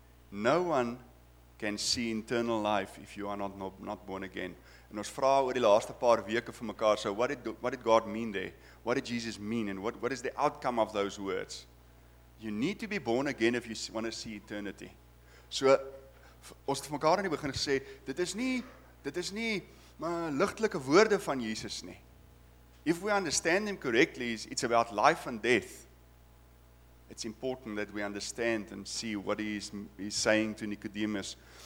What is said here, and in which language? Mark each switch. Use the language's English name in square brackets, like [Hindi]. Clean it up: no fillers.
[English] No one can see eternal life if you are not born again. [Afrikaans] En ons vra oor die laaste paar weke vir mekaar, [English] so what did God mean there? What did Jesus mean? And what is the outcome of those words? You need to be born again if you want to see eternity. [Afrikaans] So, ons het mekaar in die begin gesê, dit is nie maar ligtelike woorde van Jesus nie. [English] If we understand him correctly, it's about life and death. It's important that we understand and see what he's saying to Nicodemus.